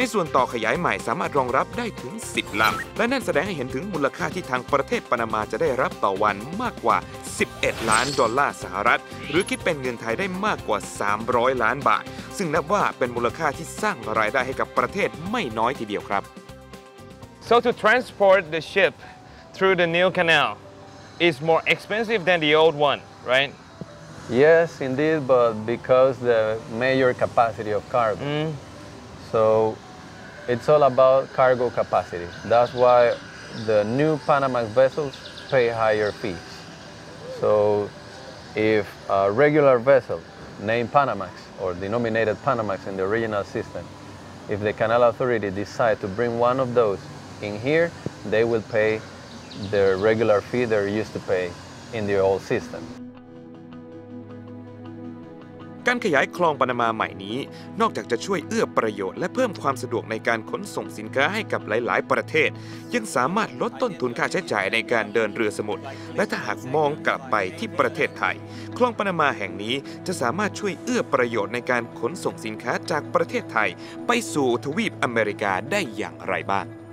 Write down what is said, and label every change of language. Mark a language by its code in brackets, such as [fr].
[th] ในส่วนต่อขยายใหม่สามารถรองรับได้ถึง10ลำและนั่นแสดงให้เห็นถึงมูลค่าที่ทางประเทศปานามาจะได้รับต่อวันมากกว่า11ล้านดอลลาร์สหรัฐหรือคิดเป็นเงินไทยได้มากกว่า300ล้านบาทซึ่งนับว่าเป็นมูลค่าที่สร้างรายได้ให้กับประเทศไม่น้อยทีเดียวครับ [en] So to transport the ship through the new canal is more expensive than the old one, right? Yes, indeed, but because the major capacity of cargo. Mm. So it's all about cargo capacity. That's why the new Panamax vessels pay higher fees. So if a regular vessel named Panamax or denominated Panamax in the original system, if the canal authority decide to bring one of those in here, they will pay the regular fee they're used to pay in the old system. [th] การขยายคลองปานามาใหม่นี้นอกจากจะช่วยเอื้อประโยชน์และเพิ่มความสะดวกในการขนส่งสินค้าให้กับหลายๆประเทศยังสามารถลดต้นทุนค่าใช้จ่ายในการเดินเรือสมุทรและถ้าหากมองกลับไปที่ประเทศไทยคลองปานามาแห่งนี้จะสามารถช่วยเอื้อประโยชน์ในการขนส่งสินค้าจากประเทศไทยไปสู่ทวีปอเมริกาได้อย่างไรบ้าง